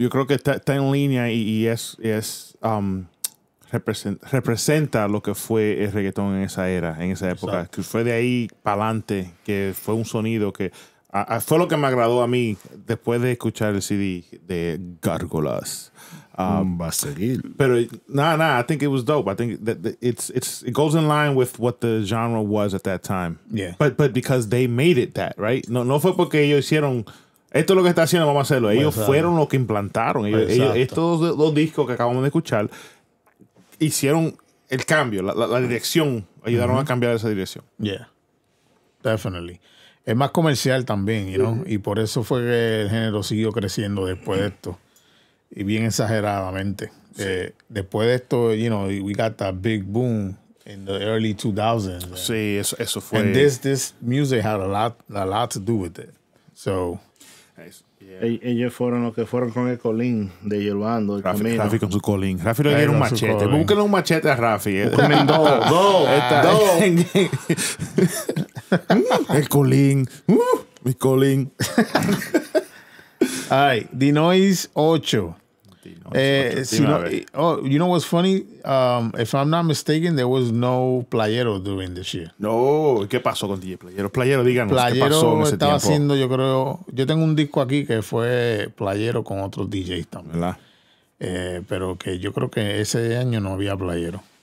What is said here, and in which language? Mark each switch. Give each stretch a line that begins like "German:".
Spanish: Yo creo que está en línea y es representa lo que fue el reggaetón en esa era, en esa época. Exacto. Que fue de ahí para adelante, que fue un sonido que fue lo que me agradó a mí después de escuchar el CD de Gárgolas. Va a seguir.
English: Pero I think it was dope. I think it goes in line with what the genre was at that time. Yeah. But because they made it that, right?
Spanish: No fue porque ellos hicieron esto es lo que está haciendo, vamos a hacerlo. Ellos fueron los que implantaron. Estos dos discos que acabamos de escuchar hicieron el cambio, la dirección, ayudaron a cambiar esa dirección.
English: Yeah, definitely.
Spanish: Es más comercial también,
English: you know?
Spanish: Y por eso fue que el género siguió creciendo después de esto, y bien exageradamente. Sí. Después de esto,
English: you know, we got that big boom in the early 2000s.
Spanish: Sí, eso fue.
English: And this music had a lot to do with it. So,
Spanish: Ellos fueron los que fueron con el colín de Yerbando. Rafi con su colín. Rafi le dieron un machete. Búsquenle un machete a Rafi. Dos. El colín. Mi colín.
English: All right. Dinois 8. You know what's funny? If I'm not mistaken, there was no Playero during this year.
Spanish: No, ¿qué pasó con DJ Playero? Playero, díganos, Playero, ¿qué pasó en ese estaba tiempo? Haciendo, yo creo, yo tengo un disco aquí que fue Playero con otros DJs también. Pero que yo creo que ese año no había Playero.